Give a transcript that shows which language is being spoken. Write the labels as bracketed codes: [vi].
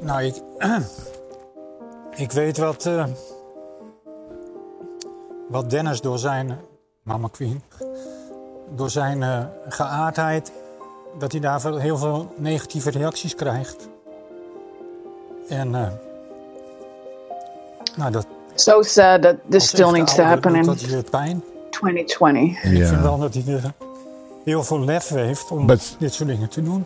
[nl] Nou, ik weet wat Dennis door zijn... Mama Queen. Door zijn geaardheid... dat hij daar heel veel negatieve reacties krijgt. En, [en] so sad that this still needs to happen in 2020. Yeah. [nl] Heel veel lef heeft om [en] but [nl] dit soort dingen te doen.